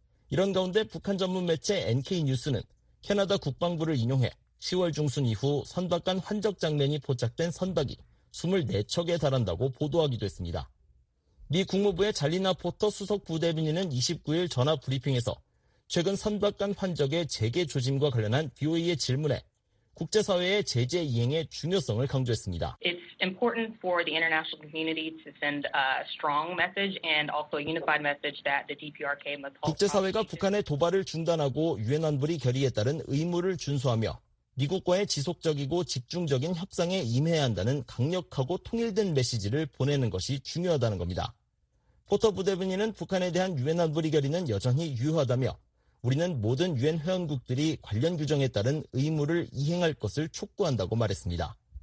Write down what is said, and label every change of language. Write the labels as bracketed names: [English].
[Korean] 이런 가운데 북한 전문 매체 NK 뉴스는 캐나다 국방부를 인용해 10월 중순 이후 선박 간 환적 장면이 포착된 선박이 24척에 달한다고 보도하기도 했습니다. 미 국무부의 잘리나 포터 수석 부대변인은 29일 전화 브리핑에서 최근 선박 간 환적의 재개 조짐과 관련한 BOE의 질문에 국제사회의 제재 이행의 중요성을 강조했습니다. [English] It's important for the international community to send a strong message and also a unified message that the DPRK must hold. [Korean] 국제사회가 북한의 도발을 중단하고 유엔 안보리 결의에 따른 의무를 준수하며 미국과의 지속적이고 집중적인 협상에 임해야 한다는 강력하고 통일된 메시지를 보내는 것이 중요하다는 겁니다. 포터 부대변인은 북한에 대한 유엔 안보리 결의는 여전히 유효하다며 우리는 모든 유엔 회원국들이 관련 규정에 따른 의무를 이행할 것을 촉구한다고 말했습니다.